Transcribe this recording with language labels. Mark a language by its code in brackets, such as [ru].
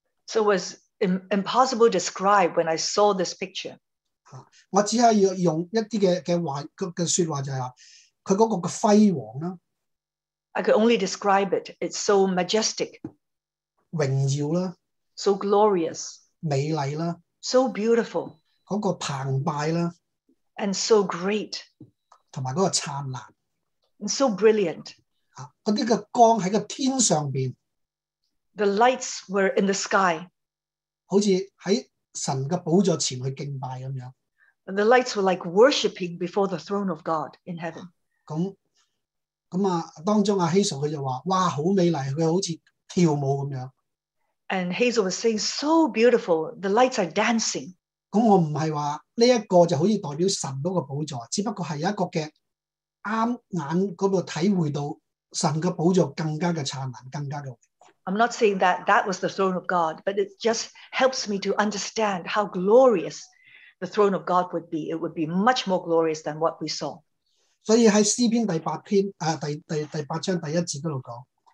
[en] So it was impossible to describe when I saw this picture. [zh] 我只是用一些的說話就是它那個輝煌啦。 [en] I could only describe it. It's so majestic. [zh] 榮耀啦, [en] so glorious. [zh] 美麗啦, [en] so beautiful. [zh] 那個澎湃啦, [en] and so great. [zh] 還有那個燦爛, [en] and so brilliant. [zh] 啊, 那些的光在天上面, [en] the lights were in the sky. [zh] 好像在神的寶座前去敬拜一樣, [en] and the lights were like worshipping before the throne of God in heaven. [zh] 當中希索就說,哇,好美麗,好像跳舞一樣。 [en] And Hazel was saying, so beautiful, the lights are dancing. [zh] 我不是說這個就可以代表神的寶座,只不過是一個眼睛那裡體會到神的寶座更加的燦爛,更加的榮耀。 [en] I'm not saying that that was the throne of God, but it just helps me to understand how glorious the throne of God would be. It would be much more glorious than what we saw. [zh] 所以在詩篇第八章第一節那裡講,